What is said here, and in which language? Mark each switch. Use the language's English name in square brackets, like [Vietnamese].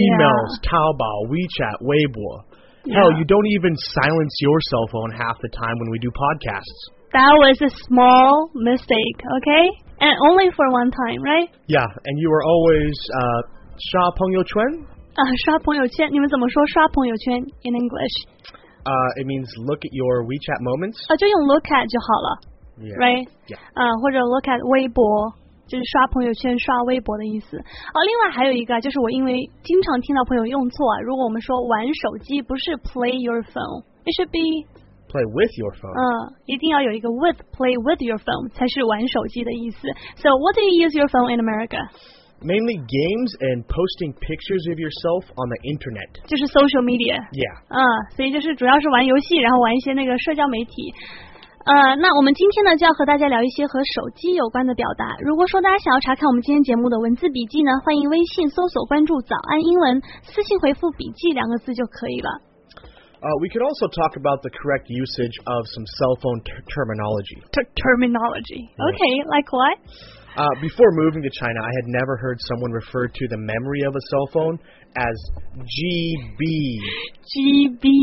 [English] Emails, Taobao, WeChat, Weibo. Yeah. Hell, you don't even silence your cell phone half the time when we do podcasts. That was a small mistake, okay? And only for one time, right? Yeah, and you were always, [Chinese] 刷朋友圈? 刷朋友圈,你们怎么说刷朋友圈 [English] in English? It means look at your WeChat moments. [Chinese] 就用 [English] look at [Chinese] 就好了, [English] yeah. right? Yeah. [Chinese] 或者 [English] look at [Chinese] 微博,就是刷朋友圈,刷微博的意思。另外还有一个,就是我因为经常听到朋友用错,如果我们说玩手机,不是 [English] play your phone, it should be... Play with your phone. [Chinese] 一定要有一个 with, [English] play with your phone, [Chinese] 才是玩手机的意思。 [English] So what do you use your phone in America? Mainly games and posting pictures of yourself on the internet. [Chinese] 就是 [English] social media. Yeah. [Chinese] 所以就是主要是玩游戏，然后玩一些那个社交媒体。那我们今天呢就要和大家聊一些和手机有关的表达。如果说大家想要查看我们今天节目的文字笔记呢，欢迎微信搜索关注早安英文，私信回复笔记两个字就可以了。 [English] We could also talk about the correct usage of some cell phone terminology. Terminology. Okay, yes. Like what? Before moving to China, I had never heard someone refer to the memory of a cell phone as GB. GB.